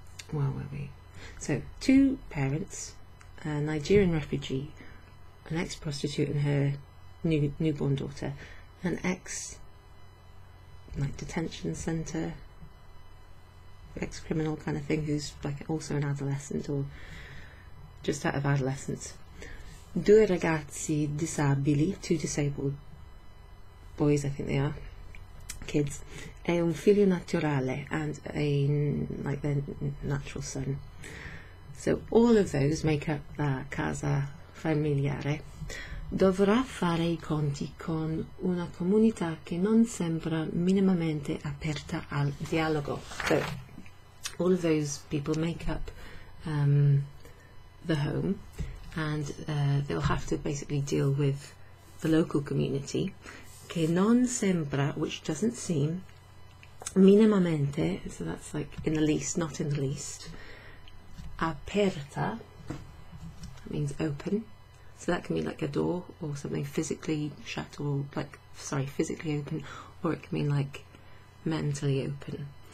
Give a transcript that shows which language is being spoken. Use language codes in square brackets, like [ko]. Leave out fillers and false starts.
[en] Where were we? So, two parents, a Nigerian refugee, an ex-prostitute and her newborn daughter, an ex, like, detention centre, ex-criminal kind of thing, who's like also an adolescent or just out of adolescence. [it] Due ragazzi disabili, [en] two disabled boys, I think they are, kids, [it] e un figlio naturale, [en] and a, like, their natural son. So all of those make up the casa familiare. [it] Dovrà fare I conti con una comunità che non sembra minimamente aperta al dialogo. [en] So all of those people make up the home, and they'll have to basically deal with the local community, [it] che non sembra, [en] which doesn't seem, minimamente, so that's like in the least, not in the least, aperta, that means open, so that can mean like a door or something physically shut, or like, sorry, physically open, or it can mean like mentally open.